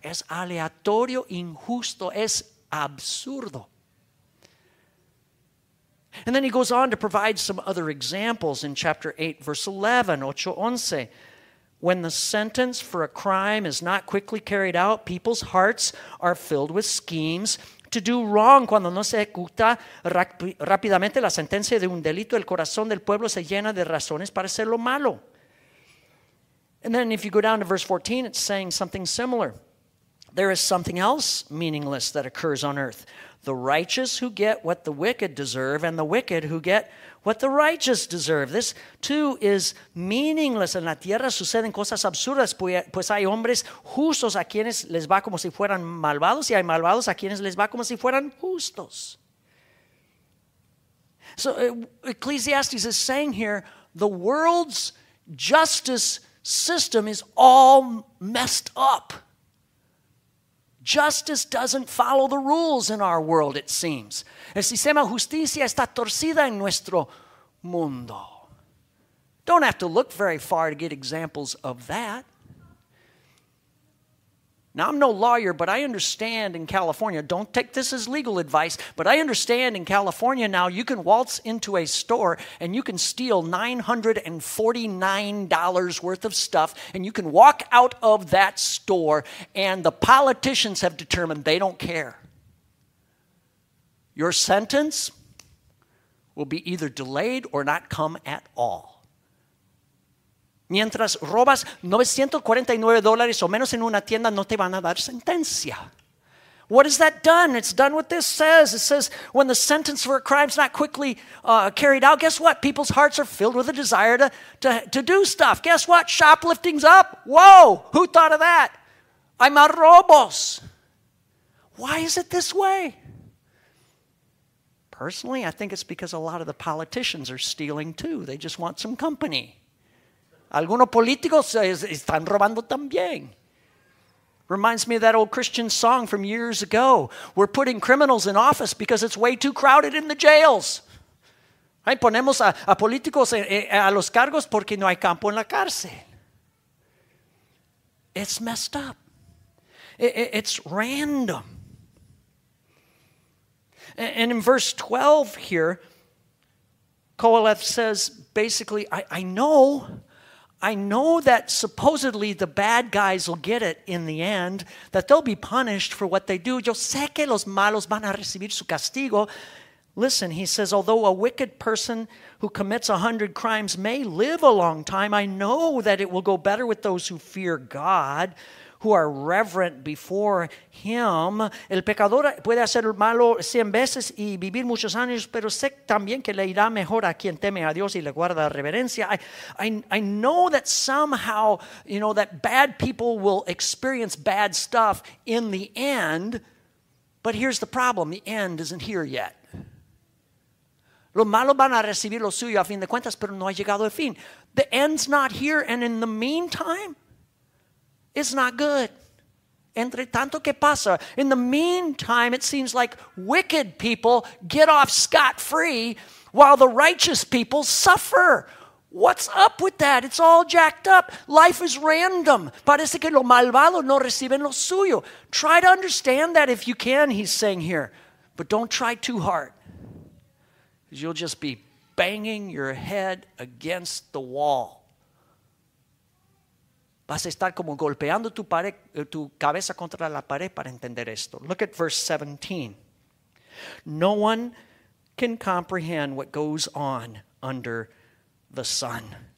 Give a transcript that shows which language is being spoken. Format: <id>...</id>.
<es>Es aleatorio, injusto, es absurdo.</es> <en>And then he goes on to provide some other examples in chapter 8, verse 11, 8:11. When the sentence for a crime is not quickly carried out, people's hearts are filled with schemes to do wrong.</en> <es>Cuando no se ejecuta rápidamente la sentencia de un delito, el corazón del pueblo se llena de razones para hacerlo malo.</es> <en>And then if you go down to verse 14, it's saying something similar. There is something else meaningless that occurs on earth. The righteous who get what the wicked deserve and the wicked who get what the righteous deserve. This too is meaningless.</en> <es>En la tierra suceden cosas absurdas, pues hay hombres justos a quienes les va como si fueran malvados y hay malvados a quienes les va como si fueran justos.</es> <en>So Ecclesiastes is saying here, the world's justice system is all messed up. Justice doesn't follow the rules in our world, it seems.</en> <es>El sistema de justicia está torcida en nuestro mundo.</es> <en>Don't have to look very far to get examples of that. Now, I'm no lawyer, but I understand in California, don't take this as legal advice, but I understand in California now you can waltz into a store and you can steal $949 worth of stuff and you can walk out of that store and the politicians have determined they don't care. Your sentence will be either delayed or not come at all.</en> <es>Mientras robas $949 o menos en una tienda, no te van a dar sentencia.</es> <en>What has that done? It's done what this says. It says when the sentence for a crime is not quickly carried out, guess what? People's hearts are filled with a desire to do stuff. Guess what? Shoplifting's up. Whoa, who thought of that?</en> <es>Hay más robos.</es> <en>Why is it this way? Personally, I think it's because a lot of the politicians are stealing too. They just want some company.</en> <es>Algunos políticos están robando también.</es> <en>Reminds me of that old Christian song from years ago. We're putting criminals in office because it's way too crowded in the jails.</en> <es>Ahí ponemos a políticos a los cargos porque no hay campo en la cárcel.</es> <en>It's messed up. It's random. And in verse 12 here, Koheleth says, basically, I know that supposedly the bad guys will get it in the end, that they'll be punished for what they do.</en> <es>Yo sé que los malos van a recibir su castigo.</es> <en>Listen, he says, although a wicked person who commits 100 crimes may live a long time, I know that it will go better with those who fear God, who are reverent before him.</en> <es>El pecador puede hacer el malo 100 veces y vivir muchos años, pero sé también que le irá mejor a quien teme a Dios y le guarda reverencia.</es> <en>I know that somehow, you know, that bad people will experience bad stuff in the end, but here's the problem. The end isn't here yet.</en> <es>Los malos van a recibir lo suyo a fin de cuentas, pero no ha llegado el fin.</es> <en>The end's not here, and in the meantime, it's not good.</en> <es>Entre tanto que pasa.</es> <en>In the meantime, it seems like wicked people get off scot-free while the righteous people suffer. What's up with that? It's all jacked up. Life is random.</en> <es>Parece que los malvados no reciben lo suyo.</es> <en>Try to understand that if you can, he's saying here. But don't try too hard. Because you'll just be banging your head against the wall.</en> <es>Vas a estar como golpeando tu cabeza contra la pared para entender esto.</es> <en>Look at verse 17. No one can comprehend what goes on under the sun.</en>